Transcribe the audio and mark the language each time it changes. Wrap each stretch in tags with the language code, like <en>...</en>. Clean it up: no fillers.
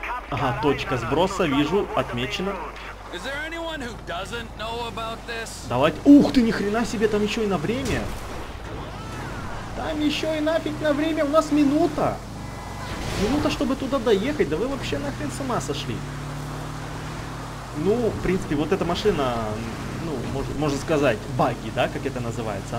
<ru>Ага, точка сброса, вижу, отмечено.</ru> <en>Is there anyone who doesn't know about this?</en> <ru>Давайте. Ух ты, ни хрена себе, там еще и на время. Там еще и нафиг на время, у нас минута. Минута, чтобы туда доехать, да вы вообще нахрен с ума сошли. Ну, в принципе, вот эта машина, ну, можно сказать, багги, да, как это называется.</ru>